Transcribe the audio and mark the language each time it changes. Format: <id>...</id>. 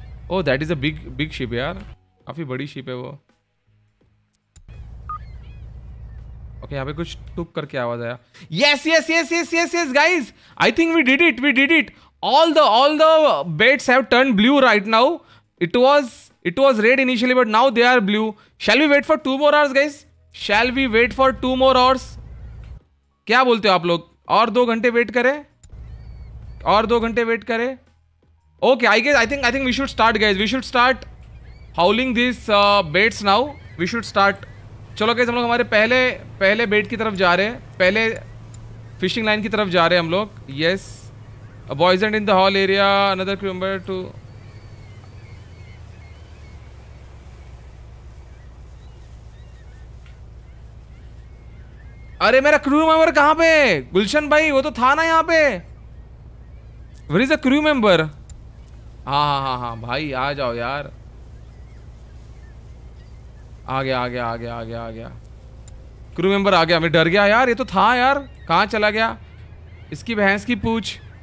<en>oh that is a big big ship यार,</en> <hi>काफ़ी बड़ी शिप है वो। ओके यहाँ पे कुछ टुक करके आवाज आया,</hi> <en>Yes yes yes yes yes yes guys I think we did it, we did it, All the baits have turned blue right now. It was red initially, but now they are blue. Shall we wait for 2 more hours, guys? Shall we wait for 2 more hours?</en> <hi>क्या बोलते हो आप लोग? और 2 घंटे wait करें? और 2 घंटे wait करें?</hi> <en>Okay, I think we should start, guys. We should start hauling these baits now. We should start.</en> <hi>चलो guys, हम लोग हमारे पहले bait की तरफ जा रहे हैं, पहले fishing line की तरफ जा रहे हैं हम लोग.</hi> <en>Yes. A boys and in the hall area, another crew member to uh,</en> <hi>अरे मेरा क्रू मेंबर कहाँ पे? गुलशन भाई वो तो था ना यहाँ पे.</hi> <en>Where is a crew member?</en> <hi>हाँ हाँ हाँ हाँ भाई आ जाओ यार. आ गया आ गया आ गया आ गया आ गया क्रू मेंबर आ गया. मैं डर गया यार, ये तो था यार, कहाँ चला गया? इसकी भैंस की पूछ.</hi>